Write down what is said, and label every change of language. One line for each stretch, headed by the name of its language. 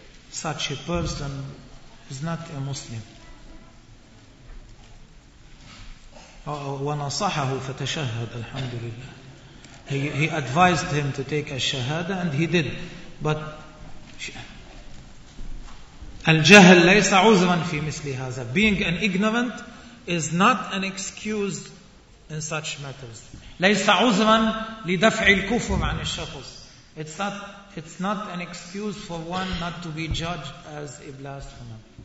English: Such a person is not a Muslim.
Arabic: وَنَصَحَهُ فَتَشَهَّدَ الْحَمْدُ لِلَّهِ.
English: He advised him to take a shahada, and he did. But
Arabic: الجهل ليس عذرا في مثل هذا.
English: Being an ignorant is not an excuse in such matters.
Arabic: ليس عذرا لدفع الكفر عن الشخص.
English: It's not an excuse for one not to be judged as a blasphemer.